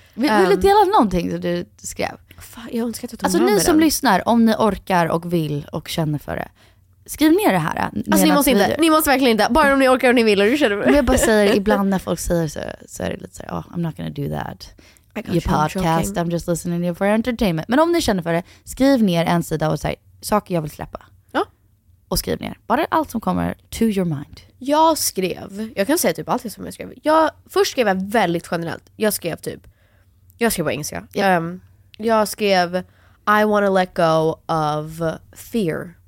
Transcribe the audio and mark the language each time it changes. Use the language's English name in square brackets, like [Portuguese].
[Swedish] Vill du dela någonting som du skrev? Fan, jag önskar att jag tog alltså ni som lyssnar, om ni orkar och vill och känner för det, skriv ner det här. Alltså ni måste verkligen inte, bara om ni orkar och ni vill och du känner för det. Men jag bara säger, ibland när folk säger så är det lite så här, [English] oh, I'm not gonna do that. Your podcast, I'm just listening to you for entertainment. [Swedish] Men om ni känner för det, skriv ner en sida och säg, saker jag vill släppa. Och skriv ner. Bara allt som kommer [English] to your mind. [Swedish] Jag skrev, jag kan säga typ allt som jag skrev. Jag först skrev jag väldigt generellt. Jag skrev på engelska. [English] Yep. [Swedish] Jag skrev [English] I want to let go of fear.